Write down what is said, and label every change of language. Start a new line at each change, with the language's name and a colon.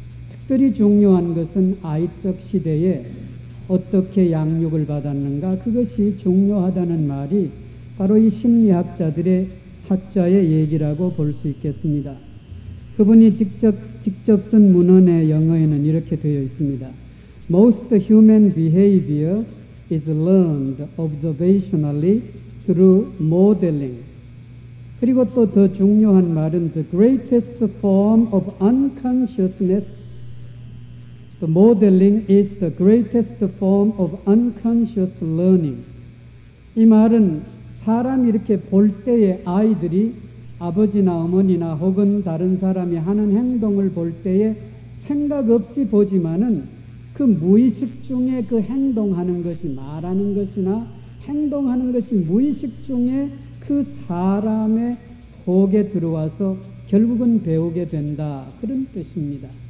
Korean: 특별히 중요한 것은 아이적 시대에 어떻게 양육을 받았는가, 그것이 중요하다는 말이 바로 이 심리학자들의 학자의 얘기라고 볼 수 있겠습니다. 그분이 직접 쓴 문헌의 영어에는 이렇게 되어 있습니다.
English: Most human behavior is learned observationally through modeling.
Korean: 그리고 또 더 중요한 말은
English: the greatest form of unconsciousness, the modeling is the greatest form of unconscious learning.
Korean: 이 말은 사람이 이렇게 볼 때에 아이들이 아버지나 어머니나 혹은 다른 사람이 하는 행동을 볼 때에 생각 없이 보지만은 그 무의식 중에 그 행동하는 것이 말하는 것이나 행동하는 것이 무의식 중에 그 사람의 속에 들어와서 결국은 배우게 된다. 그런 뜻입니다.